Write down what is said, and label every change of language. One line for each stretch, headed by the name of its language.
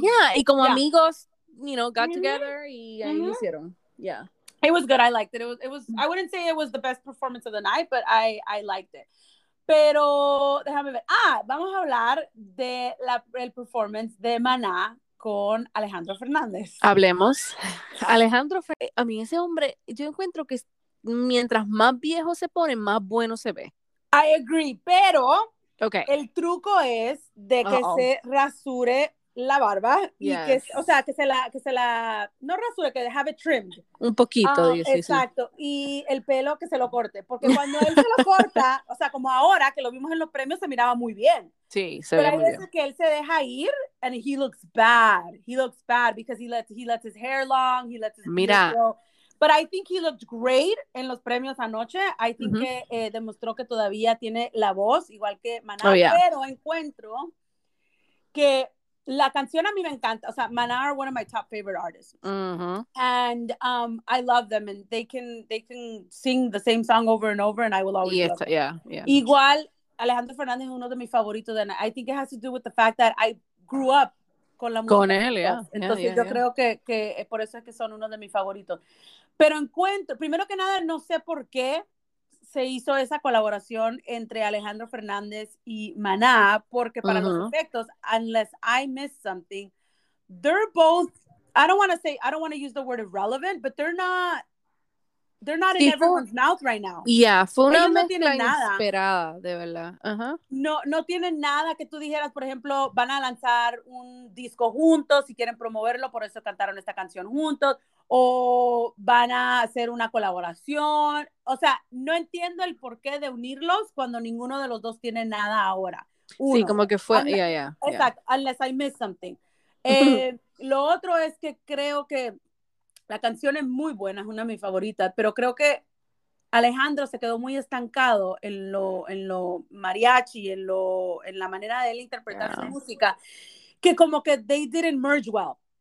Spanish: Yeah, y como amigos,
English: you know, got together
Spanish: y ahí lo hicieron.
English: Yeah. It was good. I liked it. It was. I wouldn't say it was the best performance of the night, but I liked it.
Spanish: Pero déjame ver. Ah, vamos a hablar de el performance de Maná con Alejandro Fernández. Hablemos. Alejandro, a mí ese hombre, yo encuentro que mientras más viejo se pone, más bueno se ve.
English: I agree, pero okay.
Spanish: El truco es de que se rasure la barba, y que, o sea, que se la, no rasure, que
English: have it trimmed.
Spanish: Un poquito, exacto, sí. Y el pelo que se lo corte, porque cuando él se lo corta, o sea, como ahora, que lo vimos en los premios, se miraba muy bien. Sí, se veía muy bien. Pero hay veces que él se deja ir,
English: and he looks bad, because he lets his hair long, he lets his hair grow. But I think he looked great
Spanish: en los premios anoche.
English: I think que demostró que todavía tiene la voz, igual que Maná, pero encuentro que la canción a mí me encanta. O sea, Maná are one of my top favorite artists. Uh-huh. And I love them. And they can sing the same song over and over, and I will always love them. Yeah, yeah.
Spanish: Igual, Alejandro Fernández es uno de mis favoritos.
English: And I think it has to do with the fact that I grew up
Spanish: con la música. Con él, ya. Entonces yo creo que por eso es que son uno de mis favoritos. Pero encuentro, primero que nada, no sé por qué se hizo esa colaboración entre Alejandro Fernández y Maná, porque para los efectos,
English: unless I miss something, they're both, I don't want to use the word irrelevant, but they're not in everyone's mouth right now.
Spanish: Yeah, fue una mezcla inesperada, de verdad. No tienen nada que tú dijeras, por ejemplo, van a lanzar un disco juntos y quieren promoverlo, por eso cantaron esta canción juntos, o van a hacer una colaboración. O sea, no entiendo el porqué de unirlos cuando ninguno de los dos tiene nada ahora. Uno, sí, como que fue,
English: exacto, unless I miss something.
Spanish: lo otro es que creo que la canción es muy buena, es una de mis favoritas, pero creo que Alejandro se quedó muy estancado en lo mariachi, en la manera de él interpretar su música, que como que
English: they didn't merge well.